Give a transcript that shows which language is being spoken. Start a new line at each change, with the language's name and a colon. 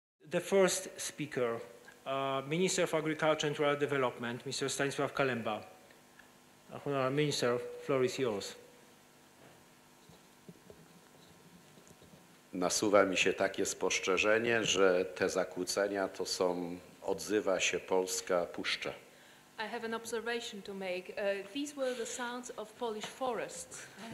English: The first speaker, Minister of Agriculture and Rural Development, Mr. Stanisław Kalemba. Honorable Minister, floor is yours.
Polish: Nasuwa mi się takie spostrzeżenie, że te zakłócenia to są, odzywa się polska puszcza.
English: I have an observation to make. These were the sounds of Polish forests.